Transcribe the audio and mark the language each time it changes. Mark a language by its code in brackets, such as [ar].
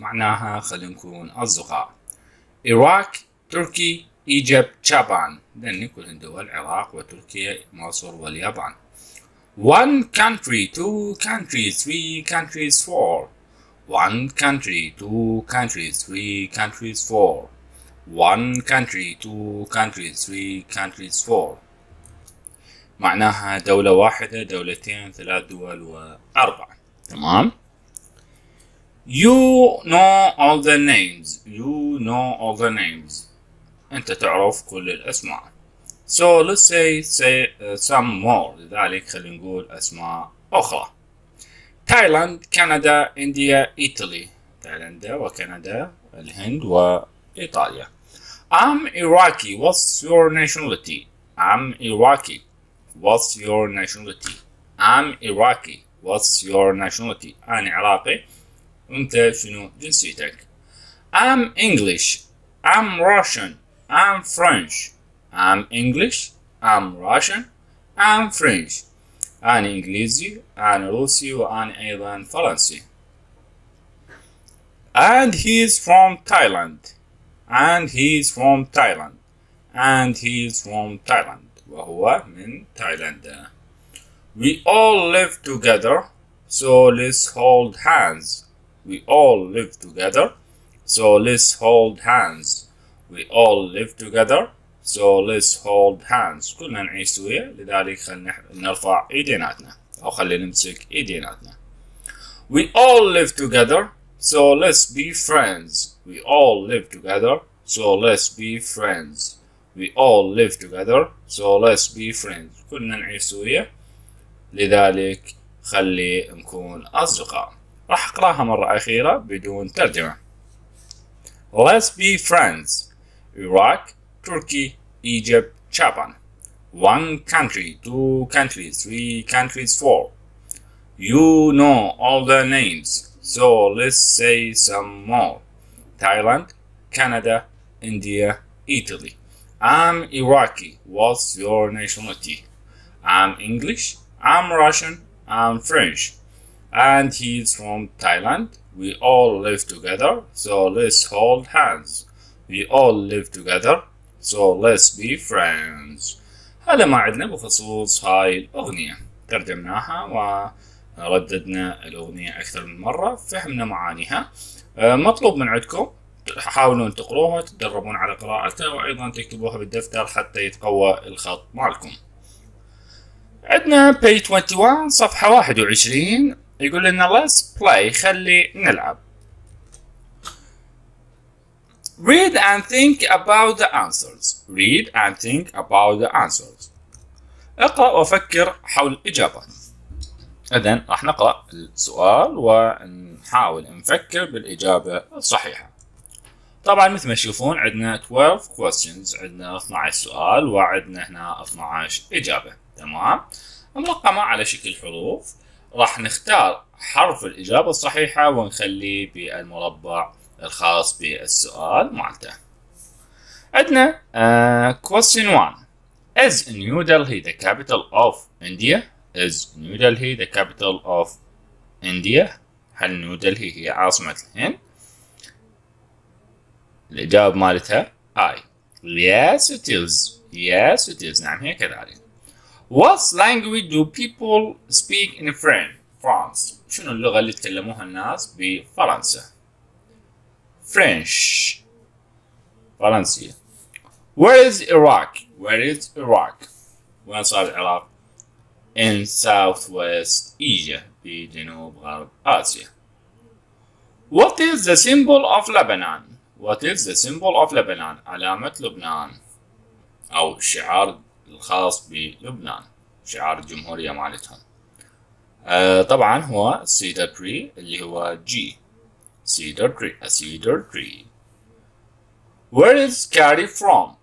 [ar] معناها خلينا نكون أصدقاء. إيراك، تركي، إيجبت، جابان، لأن كل دول العراق وتركيا مصر واليابان. [en] One country, two countries, three countries, four. One country, two countries, three countries, four. One country, two countries, three countries, four. [ar] معناها دولة واحدة، دولتين، ثلاث دول، وأربعة. تمام؟ [en] You know all the names. You know all the names. [ar] أنت تعرف كل الأسماء. [en] So let's say some more. [ar] لذلك خلينا نقول أسماء أخرى. تايلاند، كندا، انديا، ايطالي. تايلاند وكندا، الهند وايطاليا. [en] I'm Iraqi. What's your nationality? I'm Iraqi. What's your nationality? I'm Iraqi. What's your nationality? [ar] انا عراقي. انت شنو جنسيتك؟ [en] I'm English. I'm Russian. I'm French. I'm English. I'm Russian. I'm French. [ar] أنا إنجليزي، أنا روسي، وأنا أيضا فرنسي. [en] And he's from Thailand. And he's from Thailand. And he's from Thailand. [ar] وهو من تايلاند. [en] We all live together, so let's hold hands. We all live together, so let's hold hands. We all live together. So let's hold hands. [ar] كلنا نعيش سويا، لذلك خلنا نرفع ايديناتنا او خلينا نمسك ايديناتنا. [en] We all live together, so let's be friends. We all live together, so let's be friends. We all live together, so let's be friends. [ar] كلنا نعيش سويا، لذلك خلي نكون اصدقاء. راح اقراها مرة اخيرة بدون ترجمة. [en] Let's be friends. Iraq, Turkey, Egypt, Japan. One country, two countries, three countries, four. You know all the names, so let's say some more. Thailand, Canada, India, Italy. I'm Iraqi. What's your nationality? I'm English. I'm Russian. I'm French. And he's from Thailand. We all live together, so let's hold hands. We all live together. So let's be friends. [ar] هذا ما عدنا بخصوص هاي الأغنية، ترجمناها و رددنا الأغنية أكثر من مرة، فهمنا معانيها. مطلوب من عندكم حاولوا أن تقروها، تدربون على قراءتها، وأيضا تكتبوها بالدفتر حتى يتقوى الخط معكم. عندنا page 21 صفحة 21 يقول لنا [en] let's play، [ar] خلي نلعب. [en] Read and think about the answers. Read and think about the answers. [ar] اقرأ وفكر حول الإجابات. إذن راح نقرأ السؤال ونحاول نفكر بالإجابة الصحيحة. طبعا مثل ما تشوفون عندنا 12 questions، عندنا 12 سؤال وعندنا هنا 12 إجابة، تمام؟ مرقمة على شكل حروف، راح نختار حرف الإجابة الصحيحة ونخلي بالمربع الخاص بالسؤال مالته. عندنا question 1. [en] Is New Delhi the capital of India? Is New Delhi the capital of India? [ar] هل نيو دلهي هي عاصمة الهند؟ الإجابة مالتها I. [en] Yes it is. Yes it is. [ar] نعم هي كذلك. [en] What language do people speak in France? [ar] شنو اللغة اللي تكلموها الناس بفرنسا؟ French. [en] فرنسية. Where is Iraq? Where is Iraq? [ar] وين صار العراق؟ [en] In Southwest Asia. [ar] في جنوب غرب آسيا. [en] What is the symbol of Lebanon? What is the symbol of Lebanon? [ar] علامة لبنان أو الشعار الخاص بلبنان، شعار الجمهورية مالتهم. طبعا هو cedar tree اللي هو G. [en] Cedar tree. A cedar tree. Where is curry from?